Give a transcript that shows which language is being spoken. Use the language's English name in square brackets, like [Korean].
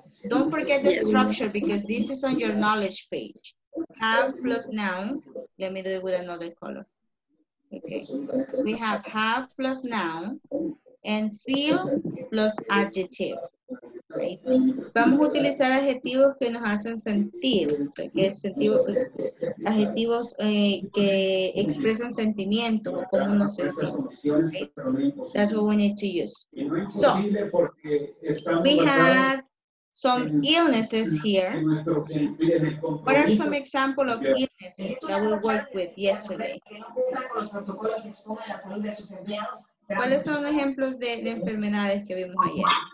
[English] Don't forget the structure because this is on your knowledge page. Have plus noun. Let me do it with another color. Okay. We have plus noun and feel plus adjective. Right. [Spanish] Vamos a utilizar adjetivos que nos hacen sentir, o sea, que adjetivos que expresan sentimiento, cómo nos sentimos. [English] Right. That's what we need to use. So, we had some illnesses here. What are some examples of illnesses that we worked with yesterday? [Spanish] ¿Cuáles son ejemplos de, de enfermedades que vimos ayer?